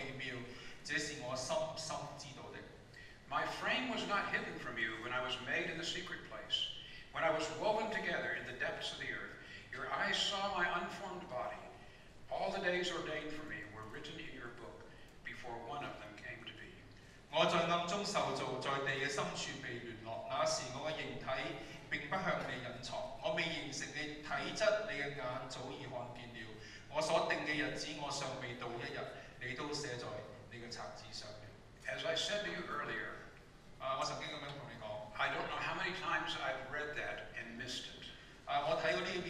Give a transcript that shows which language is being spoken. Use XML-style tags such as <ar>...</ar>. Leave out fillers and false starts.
<yue>诗篇咁样讲，佢话咧，我嘅肺腑系你所做嘅，我喺墓当中你已经浮备我，我要称谢你，因为我受造奇妙可畏，你嘅作为奇妙，这是我深深知道的。</yue> <en>My frame was not hidden from you when I was made in the secret place. When I was woven together in the depths of the earth, your eyes saw my unformed body. All the days ordained for me were written in your book before one of them came to be.</en> <yue>我在暗中受造，在地嘅深处被联络。那时我嘅形体并不向你隐藏，我未形成嘅体质，你嘅眼早已看见了。我所定嘅日子，我尚未到一日，你都写在你嘅册子上面。</yue> <en>As I said to you earlier,</en> <yue>我曾经咁样同你讲。</yue> <en>I don't know how many times I've read that and missed it.</en>